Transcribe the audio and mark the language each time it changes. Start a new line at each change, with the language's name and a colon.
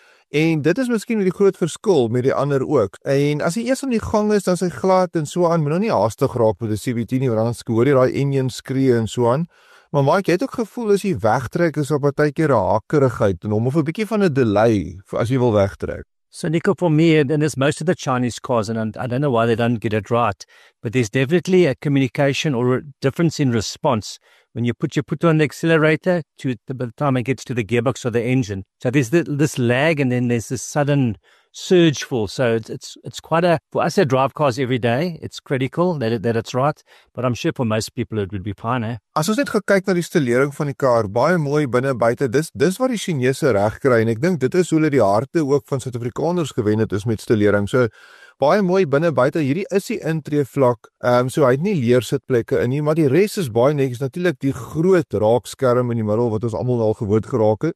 Afrikaans: En dit is miskien die groot verskil met die ander ook. En as hy eers aan die gang is, dan is hy glad en so aan, moet nou nie haastig raak met die CVT nie, want anders hoor jy die engine skree en so aan. Maar Mike, jy het ook gevoel as jy wegtrek is op 'n tydjie hakerigheid en hom of 'n bietjie van 'n delay vir as jy wil wegtrek.
English: So Nico, for me, and there's most of the Chinese cars, and I don't know why they don't get it right, but there's definitely a communication or a difference in response when you put your foot on the accelerator to the time it gets to the gearbox or the engine. So there's this lag and then there's this sudden surge full. So it's quite a, for us that drive cars every day, it's critical that it's right, but I'm sure for most people it would be fine, eh?
Afrikaans: As ons net gekyk na die stilering van die kar, baie mooi binnen buiten, dis wat die Chinese reg kry, en ek dink dit is hoe hulle die harte ook van Suid-Afrikaners gewen het is met stilering. So baie mooi binne buite. Hierdie is die intreevlak. So hy het nie leersitplekke in nie, maar die res is baie netjies. Natuurlik die groot raakskerm in die middel wat ons allemaal al gewoond geraak het.